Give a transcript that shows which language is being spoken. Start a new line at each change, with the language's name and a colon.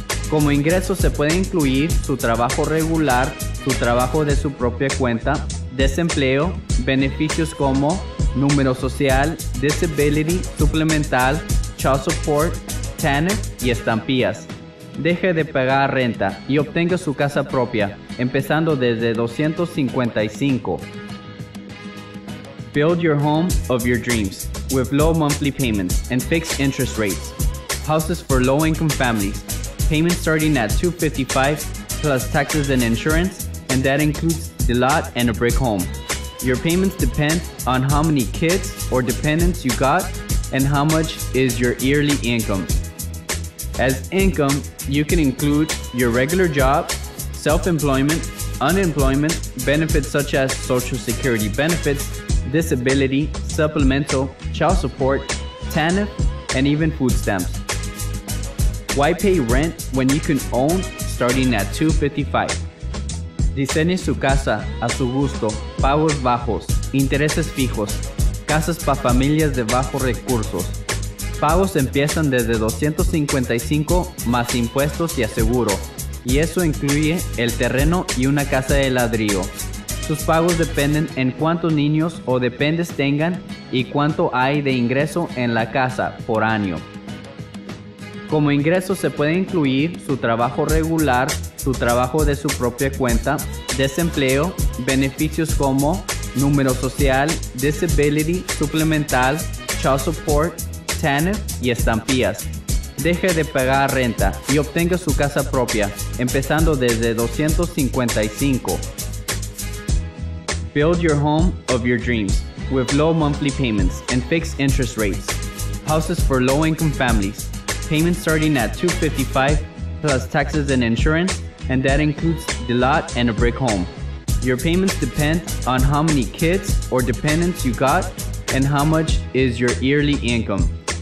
Spanish: Como ingreso se puede incluir su trabajo regular, su trabajo de su propia cuenta, desempleo, beneficios como número social,
English: disability, suplemental, child support, tenant
Spanish: y estampillas. Deje de pagar renta y obtenga su casa propia, empezando desde $255.
English: Build your home of your dreams with low monthly payments and fixed interest rates. Houses for low-income families. Payments starting at $255 plus taxes and insurance, and that includes the lot and a brick home. Your payments depend on how many kids or dependents you got and how much is your yearly income. As income, you can include your regular job, self-employment, unemployment, benefits such as Social Security benefits, disability, supplemental, child support, TANF, and even food stamps. Why pay rent when you can own starting at $255?
Spanish: Diseñe su casa a su gusto, pagos bajos, intereses fijos, casas para familias de bajos recursos. Pagos empiezan desde $255 más impuestos y aseguro, y eso incluye el terreno y una casa de ladrillo. Sus pagos dependen en cuántos niños o dependientes tengan y cuánto hay de ingreso en la casa por año. Como ingreso se puede incluir su trabajo regular, su trabajo de su propia cuenta, desempleo, beneficios como número social,
English: disability, suplemental, child support, TANF
Spanish: y estampillas. Deje de pagar renta y obtenga su casa propia, empezando desde $255.
English: Build your home of your dreams with low monthly payments and fixed interest rates. Houses for low-income families. Payments starting at $255 plus taxes and insurance, and that includes the lot and a brick home. Your payments depend on how many kids or dependents you got and how much is your yearly income.